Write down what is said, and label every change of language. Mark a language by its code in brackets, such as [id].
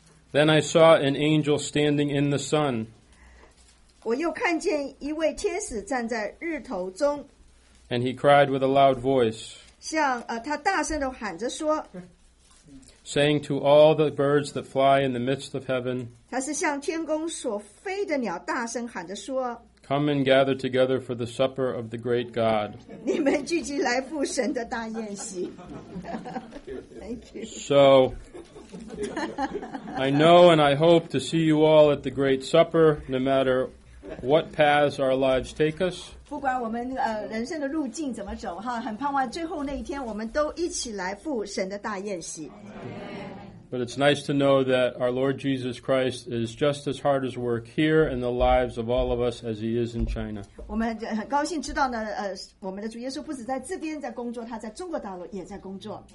[en] Then I saw an angel standing in the sun. [zh] 我又看见一位天使站在日头中。 [en] And he cried with a loud voice. [zh] 像, 他大声地喊着说, [en] saying to all the birds that fly in the midst of heaven, [zh] 他是向天空所飞的鸟大声喊着说, [en] come and gather together for the supper of the great God. [zh] 你们聚集来赴神的大宴席。 [en] Thank you. So, I know and I hope to see you all at the Great Supper, no matter what paths our lives take us. [zh] 不管我们, 人生的路径怎么走, 哈, 很盼望最后那一天我们都一起来赴神的大宴席。 [en] But it's nice to know that our Lord Jesus Christ is just as hard at work here in the lives of all of us as he is in China. [zh] 我们很高兴知道呢, 我们的主耶稣不止在这边在工作, 他在中国大陆也在工作。